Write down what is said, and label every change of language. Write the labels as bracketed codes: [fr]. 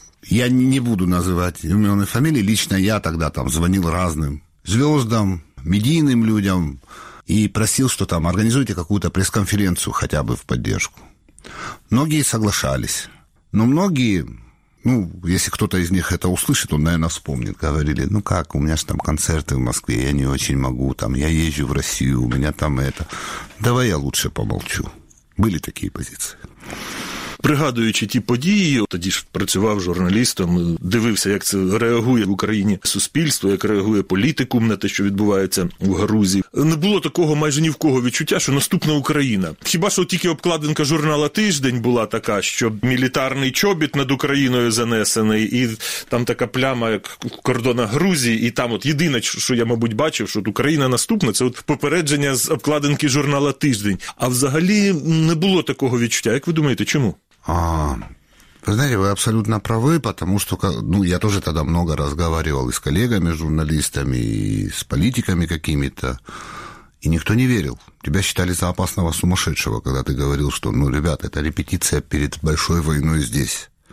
[ru] Я не буду называть имен и фамилии, лично я тогда там звонил разным звездам, медийным людям и просил, что там организуйте какую-то пресс-конференцию хотя бы в поддержку. Многие соглашались, но многие, ну, если кто-то из них это услышит, он, наверное, вспомнит. Говорили, ну как, у меня же там концерты в Москве, я не очень могу, там, я езжу в Россию, у меня там это. Давай я лучше помолчу. Были такие позиции. [uk] Пригадуючи ті події, тоді ж працював журналістом, дивився, як це реагує в Україні суспільство, як реагує політикум на те, що відбувається в Грузії. Не було такого майже ні в кого відчуття, що наступна Україна. Хіба що тільки обкладинка журнала «Тиждень» була така, що мілітарний чобіт над Україною занесений, і там така пляма, як кордона Грузії, і там от єдине, що я, мабуть, бачив, що от Україна наступна, це от попередження з обкладинки журнала «Тиждень». А взагалі не було такого відчуття. Як ви думаєте, чому? А [ru] Вы знаете, вы абсолютно правы, потому что, ну, я тоже тогда много разговаривал и с коллегами, с журналистами, и с политиками какими-то, и никто не верил. Тебя считали за опасного сумасшедшего, когда ты говорил, что, ну, ребят, это репетиция перед большой войной здесь.